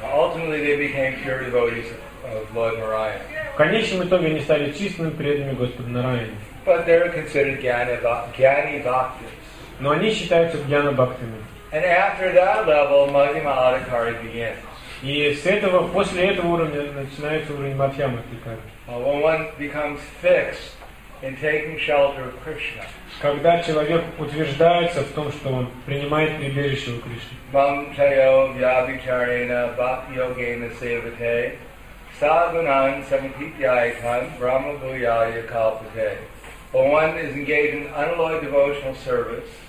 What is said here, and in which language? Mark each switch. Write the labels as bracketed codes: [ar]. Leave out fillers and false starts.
[en] Ultimately, they became pure devotees of Lord Narayana. [ru] В конечном итоге они стали чистыми преданными Господа Нараяны. [en] But they were considered Gyani Bhaktis. [ru] Но они считаются Гьяна Бхактами. [en] And after that level, Madhyama Adhikari begins. [ru] После этого уровня начинается уровень Мадхьяма Адхикари. [en] When one becomes fixed in taking shelter of Krishna. [ru] Когда человек утверждается в том, что он принимает прибежище у Кришны. [sa] Бам чайо вьябичарена бах йогена севате сагунан самхитьяйтан брама буяя калпате. [en] When one is engaged in unalloyed devotional service.